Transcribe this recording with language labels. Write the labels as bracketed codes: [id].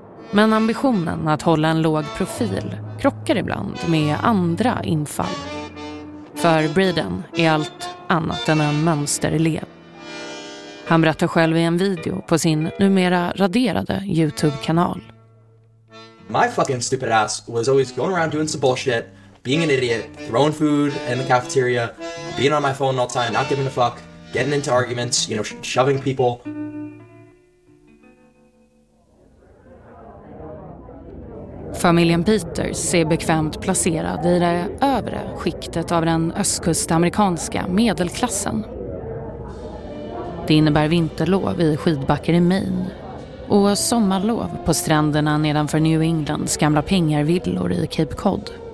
[sv] Men ambitionen att hålla en låg profil krockar ibland med andra infall. För Braden är allt annat än en mönsterelev. Han berättar själv i en video på sin numera raderade YouTube-kanal. [en] My fucking stupid ass was always going around doing some bullshit, being an idiot, throwing food in the cafeteria, being on my phone all the time, not giving a fuck, getting into arguments, you know, shoving people. [sv] Familjen Peters är bekvämt placerad i det övre skiktet av den östkustamerikanska medelklassen. Det innebär vinterlov i skidbacker i Maine och sommarlov på stränderna nedanför New Englands gamla pengarvillor i Cape Cod.